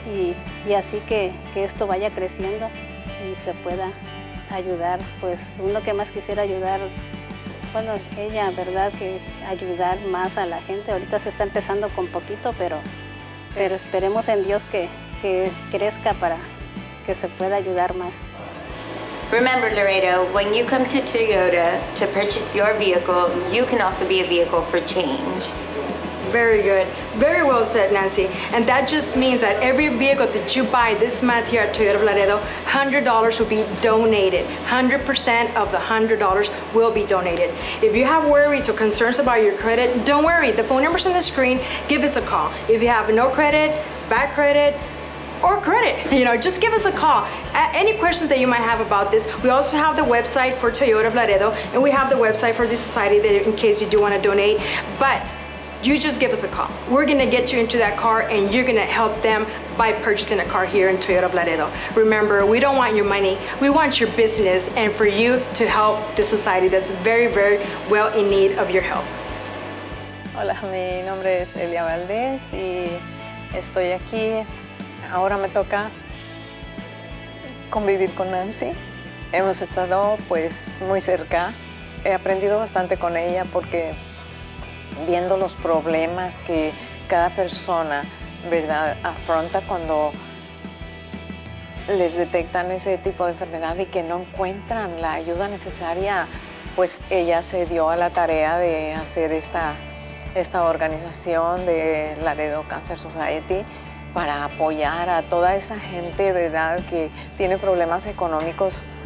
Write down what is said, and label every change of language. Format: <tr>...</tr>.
<es>Y así que esto vaya creciendo y se pueda ayudar. Pues uno que más quisiera ayudar, bueno, ella, ¿verdad?, que ayudar más a la gente. Ahorita se está empezando con poquito, pero esperemos en Dios que crezca para que se pueda ayudar más.</es> <en>Remember, Laredo, when you come to Toyota to purchase your vehicle, you can also be a vehicle for change. Very good. Very well said, Nancy. And that just means that every vehicle that you buy this month here at Toyota Laredo, $100 will be donated. 100% of the $100 will be donated. If you have worries or concerns about your credit, don't worry. The phone number's on the screen. Give us a call. If you have no credit, bad credit, or credit, you know, just give us a call. Any questions that you might have about this, we also have the website for Toyota Laredo, and we have the website for the society that in case you do want to donate. But you just give us a call. We're gonna get you into that car and you're gonna help them by purchasing a car here in Toyota Laredo. Remember, we don't want your money, we want your business and for you to help the society that's very, very well in need of your help.</en> <es>Hola, mi nombre es Elia Valdez y estoy aquí. Ahora me toca convivir con Nancy. Hemos estado pues muy cerca. He aprendido bastante con ella porque viendo los problemas que cada persona, ¿verdad?, afronta cuando les detectan ese tipo de enfermedad y que no encuentran la ayuda necesaria, pues ella se dio a la tarea de hacer esta organización de Laredo Cancer Society para apoyar a toda esa gente, ¿verdad?, que tiene problemas económicos</es>